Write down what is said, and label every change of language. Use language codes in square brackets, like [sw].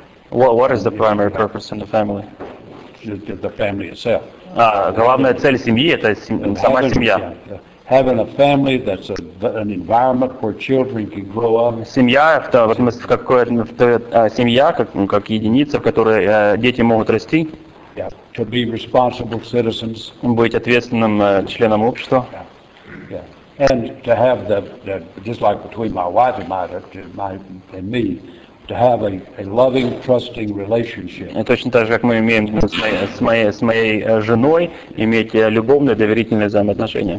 [en] What is the primary purpose in the family? The family itself. [ru] Главная цель семьи – это сама семья. [en] Having a family that's an environment where children can grow up. [ru] Семья это вот мы в какой семья как единица, в которой дети могут расти. [en] Yeah. To be responsible citizens. [ru] Быть ответственным членом общества. [en] Yeah. Yeah. And to have the just like between my wife and my and me, to have a loving, trusting relationship. [ru] Точно так же, как мы имеем с моей женой иметь любовные, доверительные взаимоотношения.